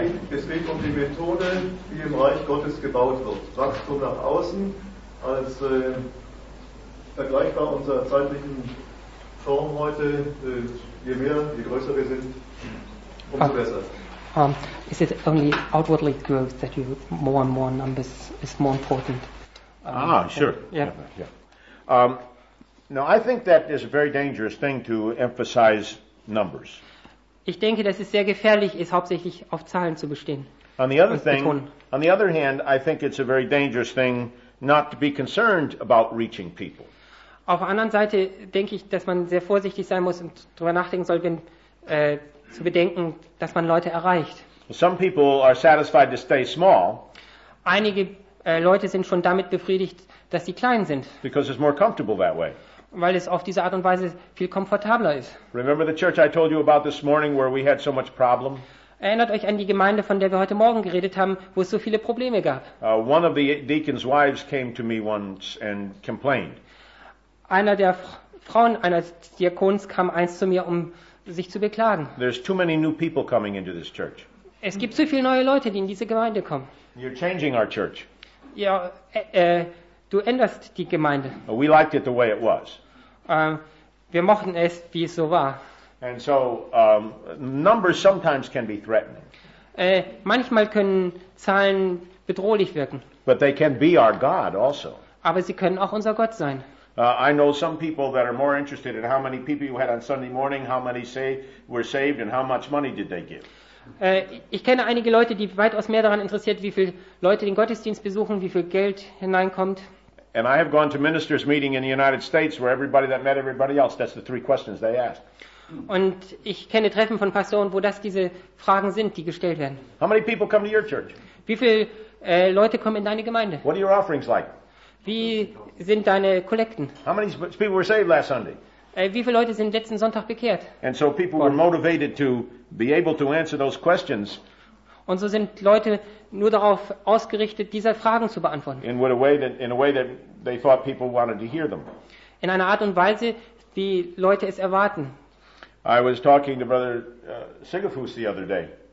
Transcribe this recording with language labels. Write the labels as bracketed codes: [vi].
[de] Es geht um die Methode, wie im Reich Gottes gebaut wird. Wachstum nach außen als vergleichbar unserer zeitlichen Form heute. Je mehr, je größer wir sind, umso besser. [en] Is it only outwardly growth that you more and more numbers is more important? Sure. Yeah. Now I think that is a very dangerous thing to emphasize numbers. [de] Ich denke, dass es sehr gefährlich ist, hauptsächlich auf Zahlen zu bestehen. [en] On the other hand, I think it's a very dangerous thing not to be concerned about reaching people. [de] Auf der anderen Seite denke ich, dass man sehr vorsichtig sein muss und darüber nachdenken soll, wenn zu bedenken, dass man Leute erreicht. [en] Some people are satisfied to stay small. [de] Einige Leute sind schon damit befriedigt, dass sie klein sind. [en] Because it's more comfortable that way. [de] Weil es auf diese Art und Weise viel komfortabler ist. [en] Remember the church I told you about this morning where we had so much problem? [de] Erinnert euch an die Gemeinde, von der wir heute Morgen geredet haben, wo es so viele Probleme gab. [en] One of the deacon's wives came to me once and complained. [de] Einer der Frauen eines Diakons kam einst zu mir, um sich zu beklagen. [en] There's too many new people coming into this church. [de] Es gibt zu viele neue Leute, die in diese Gemeinde kommen. [en] You're changing our church. [de] Ja, du änderst die Gemeinde. [en] We liked it the way it was. [de] Wir mochten es, wie es so war. [en] And so numbers sometimes can be threatening. [de] Manchmal können Zahlen bedrohlich wirken. [en] But they can be our God also. [de] Aber sie können auch unser Gott sein. [en] I know some people that are more interested in how many people you had on Sunday morning, how many were saved, and how much money did they give. [de] Ich kenne einige Leute, die weitaus mehr daran interessiert, wie viele Leute den Gottesdienst besuchen, wie viel Geld hineinkommt. [en] And I have gone to ministers meeting in the United States where everybody that met everybody else, that's the three questions they ask. [de] Und ich kenne Treffen von Pastoren, wo das diese Fragen sind, die gestellt werden. [en] How many people come to your church? [de] Wie viele Leute kommen in deine Gemeinde? [en] What are your offerings like? [de] Wie sind deine Kollekten? [en] How many people were saved last Sunday? [de] Wie viele Leute sind letzten Sonntag bekehrt? [en] And so people were motivated to be able to answer those questions. [de] Und so sind Leute nur darauf ausgerichtet, diese Fragen zu beantworten. [en] In a way that they thought people wanted to hear them. [de] In einer Art und Weise, wie Leute es erwarten. [en] I was talking to Brother Sigafoos the other day.